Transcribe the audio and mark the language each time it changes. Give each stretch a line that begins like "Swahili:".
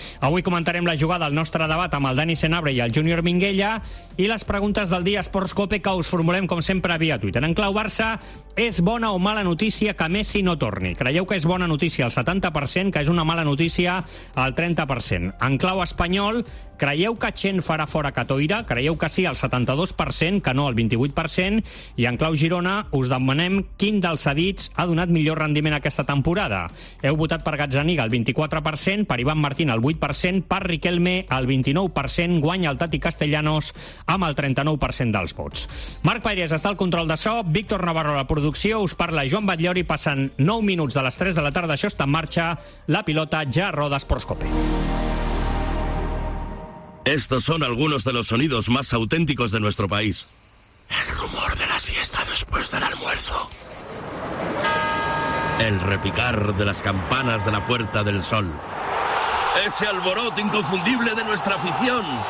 Catalan: Avui comentarem la jugada al nostre debat amb el Dani Senabre i el Júnior Minguella, i les preguntes del dia Esports Cope que us formulem com sempre via Twitter. En clau Barça, és bona o mala notícia que Messi no torni? Creieu que és bona notícia el 70%, que és una mala notícia el 30%? En clau Espanyol, creieu que Chen farà fora Catoira? Creieu que sí al 72%, que no al 28%? I en clau Girona, us demanem quin dels cedits ha donat millor rendiment aquesta temporada. Heu votat per Gazzaniga al 24%, per Ivan Martín al 8%, per Riquelme al 29%, guanya el Tati Castellanos amb el 39% dels vots. Marc Pairés està al control de so, Víctor Navarro a la producció, us parla Joan Batllori, passant 9 minuts de les 3 de la tarda. Això està en marxa, la pilota ja roda Esports Cope.
Spanish: Estos son algunos de los sonidos más auténticos de nuestro país. El rumor de la siesta después del almuerzo. El repicar de las campanas de la Puerta del Sol. Ese alboroto inconfundible de nuestra afición.